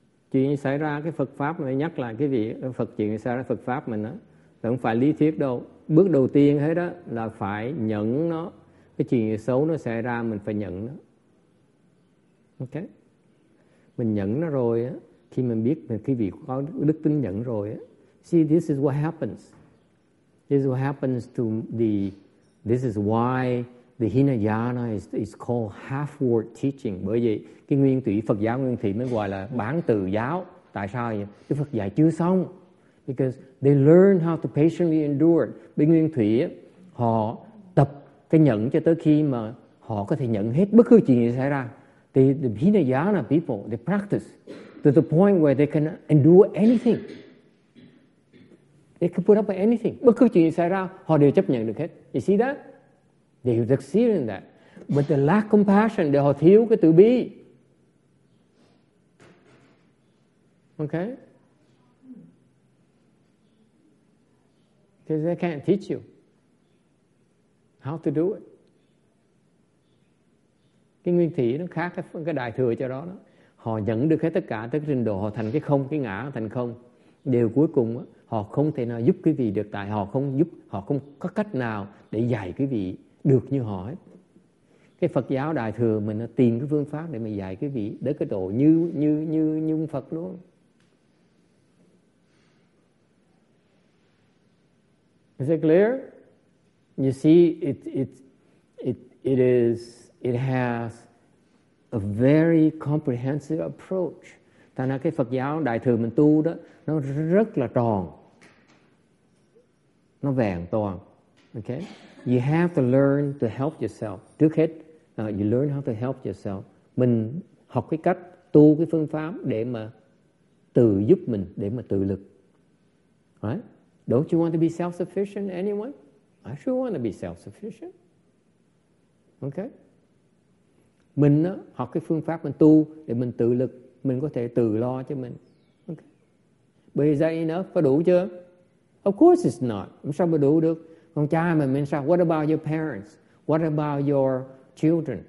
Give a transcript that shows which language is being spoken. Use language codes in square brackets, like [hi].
[vi] Chuyện xảy ra cái Phật Pháp này, nhắc lại cái vị Phật, chuyện xảy ra Phật Pháp mình đó, không phải lý thuyết đâu. Bước đầu tiên hết đó là phải nhận nó. Cái chuyện xấu nó xảy ra, mình phải nhận nó. Ok. Mình nhận nó rồi á, khi mình biết cái vị có đức tin nhận rồi á, [en] see, this is what happens. This is what happens to the, this is why the Hinayana is called half-word teaching. [vi] Bởi vì cái nguyên thủy Phật giáo nguyên thủy mới gọi là bán từ giáo. Tại sao vậy? Cái Phật dạy chưa xong. [en] Because they learn how to patiently endure. [vi] Bên nguyên thủy họ tập cái nhẫn cho tới khi mà họ có thể nhận hết bất cứ chuyện gì xảy ra. [en] The Hinayana people, they practice to the point where they can endure anything. They can put up with anything. [vi] Bất cứ chuyện gì xảy ra, họ đều chấp nhận được hết. [en] You see that? They succeed in that. But the lack compassion, they have [vi] thiếu cái từ bi. [en] Okay? Because they can't teach you how to do it. [vi] Cái nguyên thủy nó khác cái đại thừa cho đó. Họ nhận được hết tất cả, tới cái trình độ họ thành cái không, cái ngã thành không. Điều cuối cùng đó, họ không thể nào giúp quý vị được, tại họ không giúp, họ không có cách nào để dạy quý vị được như họ ấy. Cái Phật giáo đại thừa mình nó tìm cái phương pháp để mà dạy cái vị để cái độ như Phật luôn. [en] Is it clear? You see, it has a very comprehensive approach. [vi] Thành ra cái Phật giáo đại thừa mình tu đó nó rất là tròn, nó vẹn toàn. [en] Okay, you have to learn to help yourself. [vi] Trước hết, [en] you learn how to help yourself. [vi] Mình học cái cách tu cái phương pháp để mà tự giúp mình, để mà tự lực. [en] Right? Don't you want to be self-sufficient, anyone? I sure want to be self-sufficient. Okay? [vi] Mình học cái phương pháp mình tu để mình tự lực, mình có thể tự lo cho mình. [en] Okay? But is that enough? [vi] Có đủ chưa? [en] Of course it's not. [vi] Sao mà đủ được? Con trai mình sao? [en] What about your parents? What about your children?